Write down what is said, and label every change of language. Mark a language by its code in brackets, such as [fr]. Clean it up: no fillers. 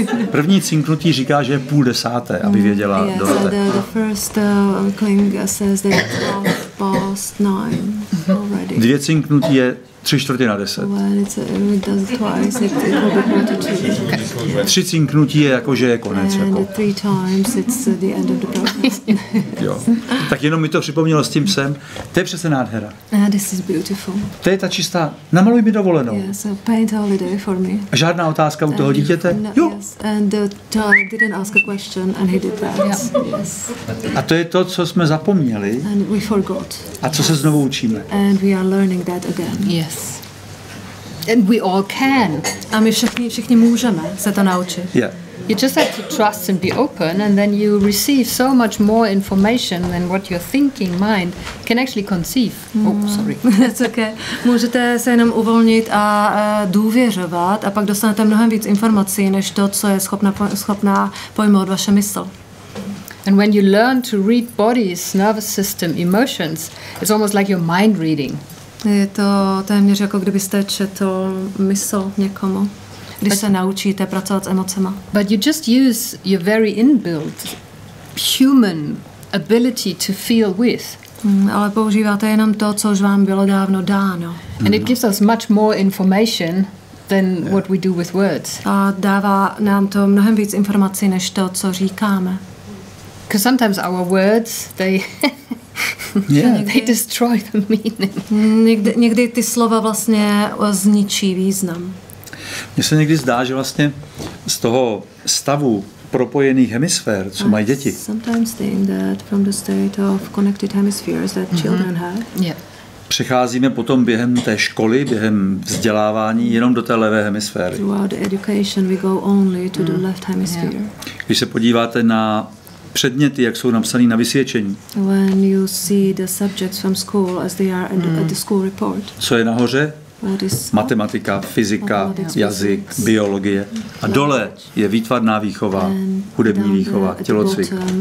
[cs] První cinknutí říká, že je 9:30, aby věděla Dorothe. [en] Yes, the first clink says that it's 9:30 already. [cs] Dvě cinknutí je 9:45. [en] Well, it does twice, it will be 2:30. [cs] Tři cinknutí je jako, že je konec. [en] And three times it's the end of the process. [cs] Jo. Tak jenom mi to připomnělo s tím psem. To je přece nádhera. [en] This is beautiful. [cs] To je ta čistá, namaluj mi dovolenou. [en] Yes, a paint holiday for me. [cs] A žádná otázka u toho dítěte? Jo. [en] Yes, and the child didn't ask a question and he did that. Yeah. Yes. [cs] A to je to, co jsme zapomněli. [en] And we forgot. [cs] A co se znovu učíme. [en] And we are learning that again. Yes. And we all can. [cs] A my všichni můžeme se to naučit. [en] Yeah. You just have to trust and be open, and then you receive so much more information than what your thinking mind can actually conceive. That's okay. [cs] Můžete se jenom uvolnit a důvěřovat, a pak dostanete mnohem víc informací než to, co je schopná pojmout vaše mysl. [en] And when you learn to read bodies, nervous system, emotions, it's almost like your mind reading. [cs] Je to téměř jako kdybyste četl mysl někomu. Když se naučíte pracovat s emocema. [en] But you just use your very inbuilt human ability to feel with. [cs] Ale používáte jenom to, co už vám bylo dávno dáno. [en] And it gives us much more information than what we do with words. [cs] A dává nám to mnohem víc informací než to, co říkáme. [en] Because sometimes our words, they they destroy the meaning. [cs] Někdy ty slova vlastně zničí význam. Mně se někdy zdá, že vlastně z toho stavu propojených hemisfér, co mají děti. [en] Sometimes think that from the state of connected hemispheres that children have. Yeah. [cs] Přecházíme potom během té školy, během vzdělávání jenom do té levé hemisféry. [en] Throughout the education we go only to the left hemisphere. [cs] Když se podíváte na předměty, jak jsou napsané na vysvědčení. [en] When you see the subjects from school as they are at the school report. [cs] Co je nahoře? Matematika, fyzika, jazyk, biologie. A dole je výtvarná výchova, hudební výchova, tělocvik.